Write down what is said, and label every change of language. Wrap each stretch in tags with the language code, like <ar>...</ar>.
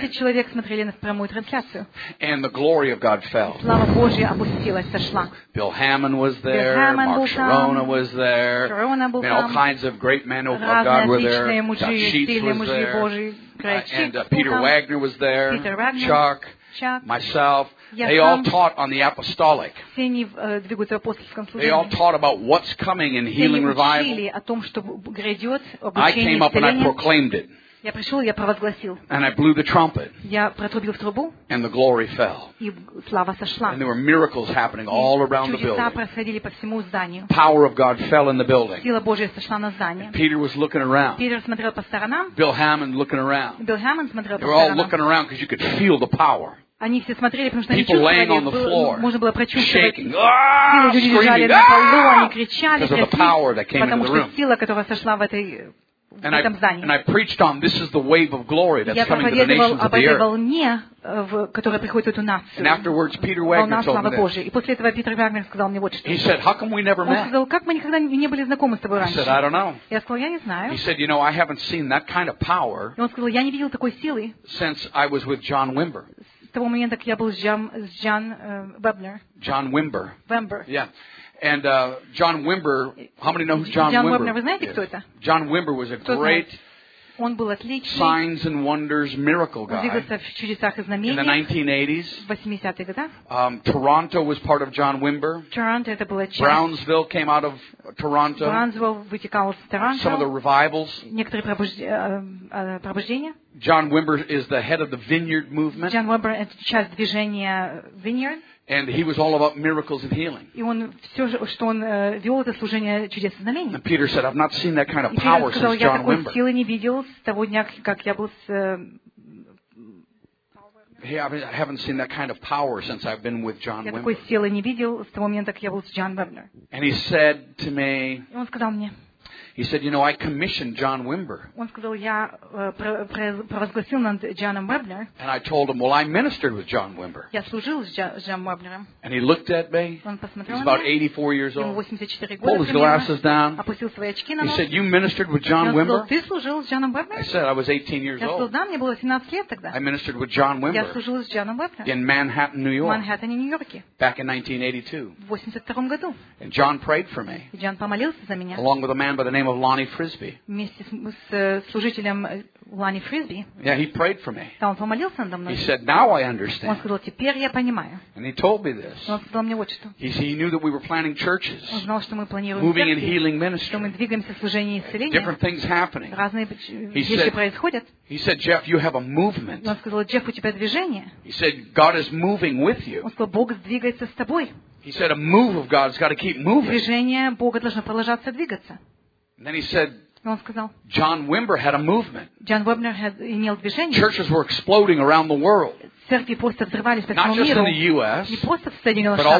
<ru>20,000 человек смотрели на прямую трансляцию.</ru> <en>And the glory of God fell.</en> <ru>Слава Божья опустилась, сошла.</ru> <en>Bill Hammond was there. Mark Sharona was there.</en> <ru>Sharona был там.</ru> <en>And all kinds of great men of God were there.</en> <ru>Разные отличные мужи, сильные мужи Божьи.</ru> <en>And Peter Wagner was there. Peter Wagner. Chuck. Myself. They all taught on the apostolic. They all taught about what's coming in healing revival. I came up and I proclaimed it.</en> <ru>Я пришел, я провозгласил.</ru> <en>And I blew the trumpet.</en> <ru>Я протрубил в трубу.</ru> <en>And the glory fell.</en> <ru>И слава сошла.</ru> <en>And there were miracles happening all around the building.</en> <ru>Чудеса происходили по всему зданию.</ru> <en>Power of God fell in the building.</en> <ru>Сила Божья сошла на здание.</ru> <en>Peter was looking around.</en> <ru>Питер смотрел по сторонам.</ru> <en>Bill Hammond looking around.</en> <ru>Bill Hammond смотрел по сторонам.</ru> <en>They were all looking around because you could feel the power.</en> <ru>Они все смотрели, потому что они</ru> <en>people</en> <ru>чувствовали,</ru> <en>laying on the floor,</en> <ru>можно было прочувствовать. Люди лежали на полу, они кричали,</ru> <en>because of the power that came</en> <ru>потому</ru> <en>into the room.</en> <ru>Что сила, которая сошла в этой</ru> <en>and I preached on this is the wave of glory that's coming to the nations of the earth.</en> <ru>Волне, которая приходит в эту нацию.</ru> <en>And afterwards, Peter Wagner told me this.</en> <ru>И после этого Питер Вагнер сказал мне вот что.</ru> <en>He said, "How come we never met?"</en> <ru>Он сказал, как мы никогда не были знакомы с тобой раньше?</ru> <en>He said, "I don't know."</en> <ru>Я сказал, я не знаю.</ru> <en>He said, "You know, I haven't seen that kind of power."</en> <ru>И он сказал, я не видел такой силы.</ru> <en>Since I was with John Wimber.</en> <ru>С того момента, как я был с Джон Вебнер.</ru> <en>John Wimber.</en> <ru>Вебнер.</ru> <en>Yeah. And John Wimber, how many know who John</en> <ru>John Wimber, вы знаете, кто это?</ru> <en>John Wimber was a great signs and wonders miracle guy.</en> <ru>Он двигался в чудесах и знамениях.</ru> <en>In the 1980s.</en> <ru>В 80-е годы.</ru> <en>Toronto was part of John Wimber.</en> <ru>Toronto это была часть.</ru> <en>Brownsville came out of Toronto.</en> <ru>Brownsville вытекал из Торонто.</ru> <en>Some of the revivals.</en> <ru>Некоторые пробуждения.</ru> <en>John Wimber is the head of the Vineyard movement.</en> <ru>John Wimber это часть движения Vineyard.</ru> <en>And he was all about miracles and healing.</en> <ru>И он все, что он вел это служение чудес и знамений.</ru> <en>And Peter said, "I've not seen that kind of power since John Wimber."</en> <ru>И Питер сказал, я такой силы не видел с того дня, как я был с.</ru> <en>Hey, I haven't seen that kind of power since I've been with John Wimber.</en> <ru>Я такой силы не видел с того момента, как я был с Джон Вебнер.</ru> <en>And he said to me.</en> <ru>И он сказал мне.</ru> <en>He said, "You know, I commissioned John Wimber."</en> <ru>Он сказал, я провозгласил над Джоном Вебнер.</ru> <en>And I told him, "Well, I ministered with John Wimber."</en> <ru>Я служил с Джоном Вебнером.</ru> <en>And he looked at me.</en> <ru>Он посмотрел на</ru> <en>меня. About 84 years old.</en> <ru>Ему 84 года.</ru> <en>Pulled his glasses down.</en> <ru>Опустил свои очки на нос.</ru> <en>He said, "You ministered with John Wimber?"</en> <ru>Ты служил с Джоном Вебнером?</ru> <en>I said, "I was 18 years old."</en> <ru>Я сказал, да, мне было 18 лет тогда.</ru> <en>I ministered with John Wimber.</en> <ru>Я служил с Джоном Вебнером.</ru> <en>In Manhattan, New York.</en> <ru>В Манхэттене, Нью-Йорке.</ru> <en>Back in 1982.</en> <ru>В 82 году.</ru> <en>And John prayed for me.</en> <ru>И Джон помолился за меня.</ru> <en>Along with a man by the name of Lonnie Frisbee.</en> <ru>Вместе с служителем Лонни Фрисби.</ru> <en>Yeah, he prayed for me.</en> <ru>Там он помолился надо мной.</ru> <en>He said, "Now I understand."</en> <ru>Он сказал, теперь я понимаю.</ru> <en>And he told me this.</en> <ru>Он сказал мне вот что.</ru> <en>He knew that we were planning churches.</en> <ru>Он знал, что мы планируем</ru> <en>moving in healing ministry.</en> <ru>Что мы двигаемся в служении исцеления.</ru> <en>Different things happening.</en> <ru>Разные вещи происходят.</ru> <en>He said, "Jeff, you have a movement."</en> <ru>Он сказал, Джефф, у тебя движение.</ru> <en>He said, "God is moving with you."</en> <ru>Он сказал, Бог двигается с тобой.</ru> <en>He said, "A move of God's got to keep moving."</en> <ru>Движение Бога должно продолжаться двигаться.</ru> <en>And then he said,</en> <ru>сказал,</ru> <en>John Wimber had a movement.</en> <ru>John Wimber had имел движение.</ru> <en>Churches were exploding around the world.</en> <ru>Церкви просто взрывались по всему</ru> <en>Not Not just in the U.S.,</en> <ru>не просто в Соединенных Штатах,</ru>